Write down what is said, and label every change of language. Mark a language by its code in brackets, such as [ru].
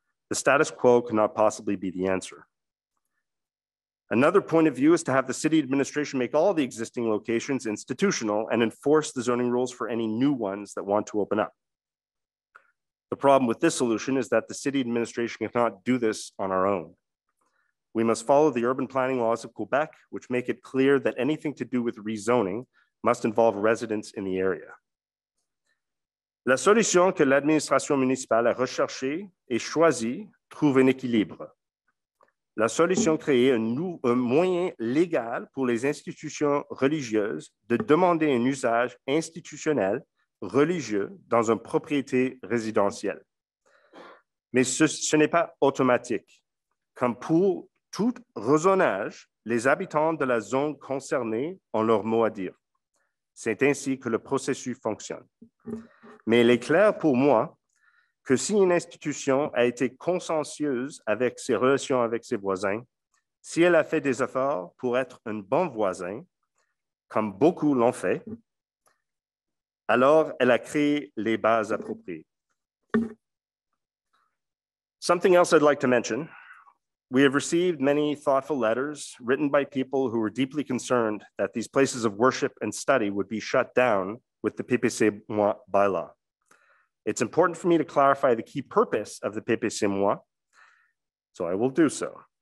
[en] The status quo cannot possibly be the answer. Another point of view is to have the city administration make all the existing locations institutional and enforce the zoning rules for any new ones that want to open up. The problem with this solution is that the city administration cannot do this on our own. We must follow the urban planning laws of Quebec, which make it clear that anything to do with rezoning must involve residents in the area. [fr] La solution que l'administration municipale a recherchée et choisie trouve un équilibre. La solution créée un moyen légal pour les institutions religieuses de demander un usage institutionnel religieux dans une propriété résidentielle. Mais ce n'est pas automatique. Comme pour tout rezonage, les habitants de la zone concernée ont leur mot à dire. C'est ainsi que le processus fonctionne. Mais il est clair pour moi que si une institution a été consciencieuse avec ses relations avec ses voisins, si elle a fait des efforts pour être un bon voisin, comme beaucoup l'ont fait, alors elle a créé les bases appropriées. [en] Something else I'd like to mention. We have received many thoughtful letters written by people who were deeply concerned that these places of worship and study would be shut down with the PPC Moi bylaw. It's important for me to clarify the key purpose of the PPC Moi, so I will do so.